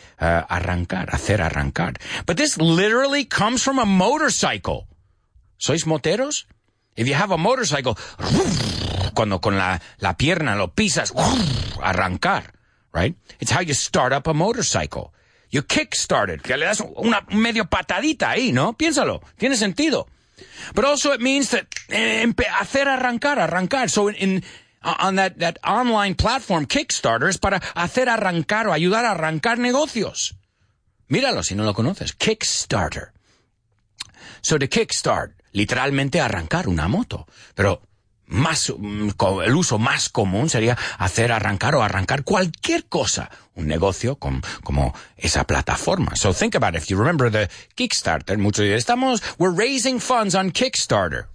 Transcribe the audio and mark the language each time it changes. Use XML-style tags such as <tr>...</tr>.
<es>Arrancar, hacer arrancar.</es> <en>But this literally comes from a motorcycle.</en> <es>¿Sois moteros?</es> <en>If you have a motorcycle,</en> <es>cuando con la pierna lo pisas, arrancar, right?</es> <en>It's how you start up a motorcycle. You kickstarted.</en> <es>Que le das una medio patadita ahí, ¿no? Piénsalo. Tiene sentido.</es> <en>But also it means that</en> <es>hacer arrancar, arrancar.</es> <en>So on that online platform, Kickstarter is</en> <es>para hacer arrancar o ayudar a arrancar negocios. Míralo si no lo conoces. Kickstarter.</es> <en>So to kickstart,</en> <es>literalmente arrancar una moto. Pero más el uso más común sería hacer arrancar o arrancar cualquier cosa, un negocio como esa plataforma.</es> <en>So think about it. If you remember the Kickstarter,</en> <es>muchos dicen,</es> <en>we're raising funds on Kickstarter.</en>